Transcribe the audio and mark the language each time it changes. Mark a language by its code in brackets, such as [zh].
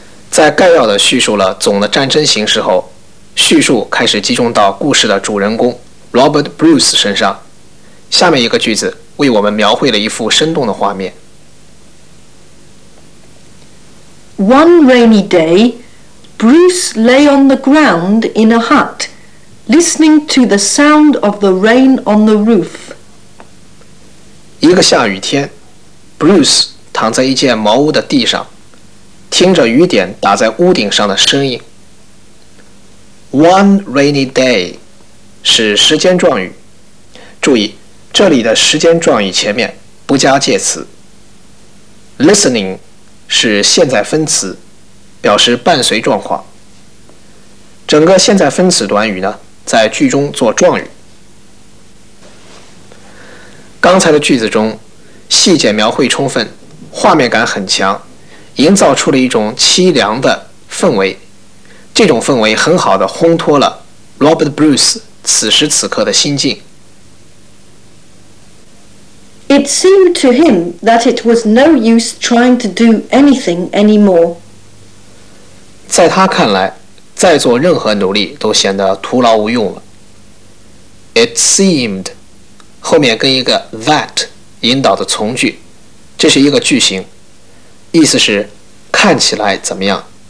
[zh] 在概要的叙述了总的战争形势后，叙述开始集中到故事的主人公 Robert Bruce 身上。下面一个句子为我们描绘了一幅生动的画面。 [en] One rainy day, Bruce lay on the ground in a hut, listening to the sound of the rain on the roof. [zh] 一个下雨天， Bruce 躺在一间茅屋的地上，听着雨点打在屋顶上的声音。 [en] One rainy day [zh] 是时间状语，注意这里的时间状语前面不加介词， Listening 是现在分词，表示伴随状况。整个现在分词短语呢，在句中做状语。刚才的句子中，细节描绘充分，画面感很强，营造出了一种凄凉的氛围。这种氛围很好的烘托了 Robert Bruce 此时此刻的心境。 [en] It seemed to him that it was no use trying to do anything anymore. [zh] 在他看来，再做任何努力都显得徒劳无用了。 [en] It seemed [zh] 后面跟一个 that 引导的从句，这是一个句型，意思是看起来怎么样。